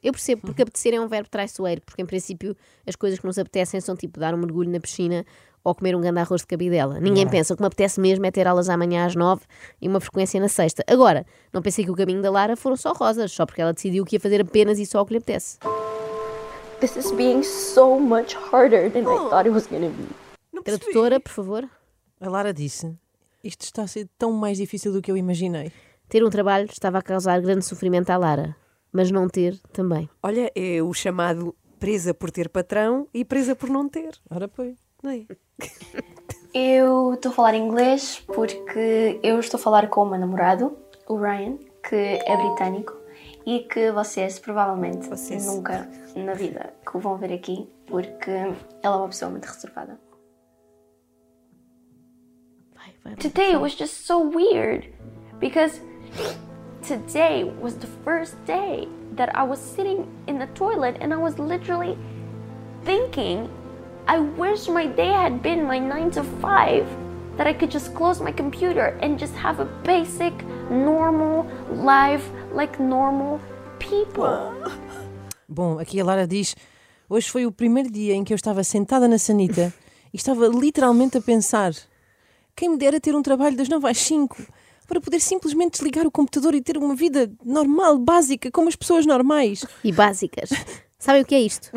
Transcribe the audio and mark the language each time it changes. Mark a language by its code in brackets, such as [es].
[pt] Eu percebo, porque apetecer é um verbo traiçoeiro, porque em princípio as coisas que nos apetecem são tipo dar um mergulho na piscina ou comer um grande arroz de cabidela. Ninguém pensa, o que me apetece mesmo é ter aulas amanhã às 9 e uma frequência na sexta. Agora, não pensei que o caminho da Lara foram só rosas, só porque ela decidiu que ia fazer apenas e só o que lhe apetece. [en] This is being so much harder than I thought it was gonna be. [pt] Tradutora, por favor. A Lara disse, isto está a ser tão mais difícil do que eu imaginei. Ter um trabalho estava a causar grande sofrimento à Lara, mas não ter também. Olha, é o chamado presa por ter patrão e presa por não ter. Ora, pois. Eu estou a falar inglês porque eu estou a falar com o meu namorado, o Ryan, que é britânico e que vocês provavelmente nunca na vida que o vão ver aqui, porque ela é uma pessoa muito reservada. [en] Today was just so weird because today was the first day that I was sitting in the toilet and I was literally thinking I wish my day had been my 9-to-5, that I could just close my computer and just have a basic, normal life like normal people. [pt] Bom, aqui a Lara diz, hoje foi o primeiro dia em que eu estava sentada na sanita e estava literalmente a pensar, quem me dera ter um trabalho das 9 às 5, para poder simplesmente desligar o computador e ter uma vida normal, básica, como as pessoas normais. E básicas. Sabem o que é isto?